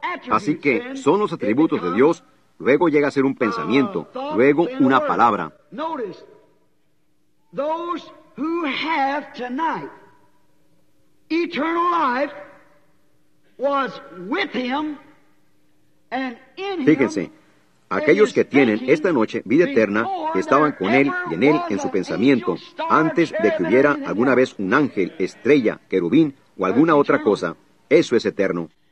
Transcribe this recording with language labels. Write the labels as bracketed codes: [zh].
[es] Así que son los atributos de Dios, luego llega a ser un pensamiento, luego una palabra. [en] Those who have tonight eternal life was with him and in him. [es] Fíjense, aquellos que tienen esta noche vida eterna estaban con él y en él en su pensamiento antes de que hubiera alguna vez un ángel, estrella, querubín o alguna otra cosa. Eso es eterno.